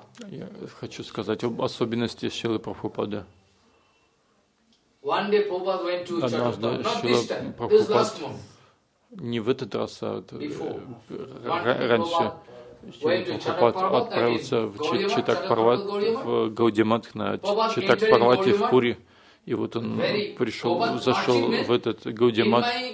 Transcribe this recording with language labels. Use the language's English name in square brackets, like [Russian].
[Russian] Я хочу сказать об особенности Шрилы Прабхупады. [English] One day Prabhupada went to Chakrata, not this time, this last month. [Russian] Не в этот раз, а раньше. Прабхупад отправился в Читакпарвати, в Гаудиматх, на Читакпарвати в Пури. И вот он пришел, зашел в этот Гаудимат.